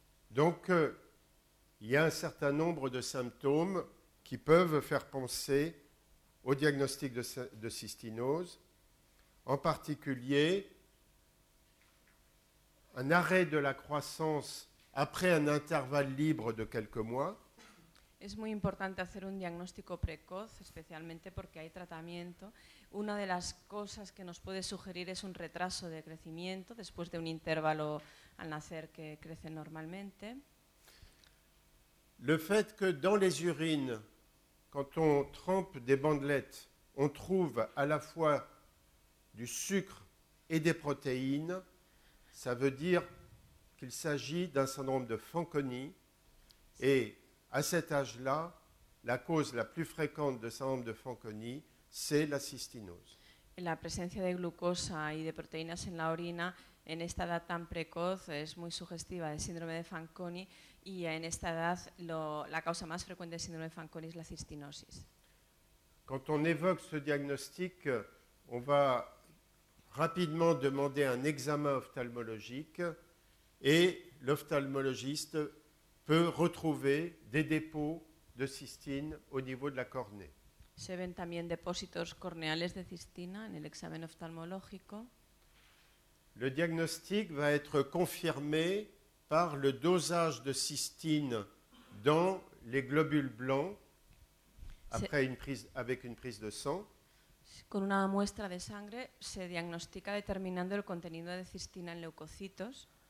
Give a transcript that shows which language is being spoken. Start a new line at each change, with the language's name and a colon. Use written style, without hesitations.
French: Donc, il y a un certain nombre de symptômes qui peuvent faire penser au diagnostic de cystinose, en particulier un arrêt de la croissance après un intervalle libre de quelques mois.
Spanish: Es muy importante hacer un diagnóstico precoz, especialmente porque hay tratamiento. Una de las cosas que nos puede sugerir es un retraso de crecimiento después de un intervalo al nacer que crece normalmente.
French: Le fait que dans les urines, quand on trempe des bandelettes, on trouve à la fois du sucre et des protéines, ça veut dire qu'il s'agit d'un syndrome de Fanconi. Et à cet âge-là, la cause la plus fréquente de syndrome de Fanconi, c'est la cystinose.
Spanish: La presencia de glucosa y de proteínas en la orina en esta edad tan precoz es muy sugestiva del síndrome de Fanconi y en esta edad la causa más frecuente del síndrome de Fanconi es la cistinosis.
French: Quand on évoque ce diagnostic, on va rapidement demander un examen ophtalmologique et l'ophtalmologiste peut retrouver des dépôts de cystine au niveau de la cornée.
Spanish: Se ven también depósitos corneales de cistina en el examen oftalmológico.
French: Le diagnostic va être confirmé par le dosage de cystine dans les globules blancs après une prise de sang.
Spanish: Con una muestra de sangre se diagnostica determinando el contenido de cistina en leucocitos.